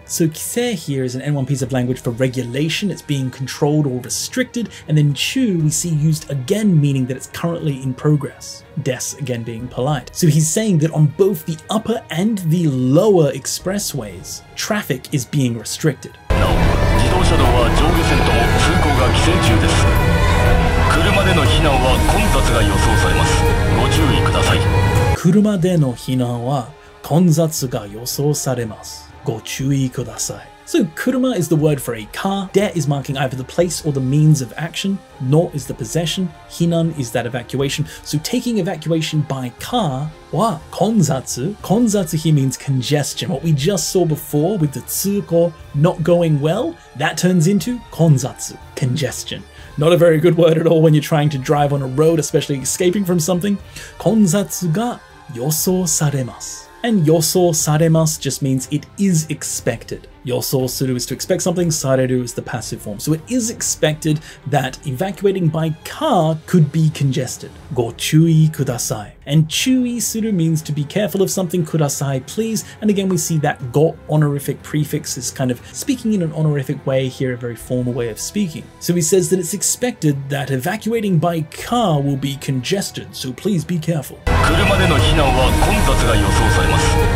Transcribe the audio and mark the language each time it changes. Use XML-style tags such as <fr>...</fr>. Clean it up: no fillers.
<en>So kise here is an N1 piece of language for regulation. It's being controlled or restricted. And then chu we see used again, meaning that it's currently in progress. Des again being polite. So he's saying that on both the upper and the lower expressways, traffic is being restricted.</en> <ja>No, 自動車道は上下線とも通行が規制中です。車での避難は混雑が予想されます。ご注意ください。車での避難は混雑が予想されます。ご注意ください。</ja> <en>So, kuruma is the word for a car. De is marking either the place or the means of action. No is the possession. Hinan is that evacuation. So, taking evacuation by car</en> <ja>wa konzatsu.</ja> <en>Konzatsu here means congestion. What we just saw before with the tsuko not going well, that turns into konzatsu, congestion. Not a very good word at all when you're trying to drive on a road, especially escaping from something.</en> <ja>Konzatsu ga yosou saremasu.</ja> <en>And</en> <ja>予想されます</ja> <en>just means it is expected. 予想する is to expect something, される is the passive form. So it is expected that evacuating by car could be congested.</en> <ja>ご注意ください.</ja> <en>And 注意する means to be careful of something, ください, please. And again, we see that ご honorific prefix is kind of speaking in an honorific way here, a very formal way of speaking. So he says that it's expected that evacuating by car will be congested, so please be careful.</en> <ja>車での避難は混雑が予想されます。</ja>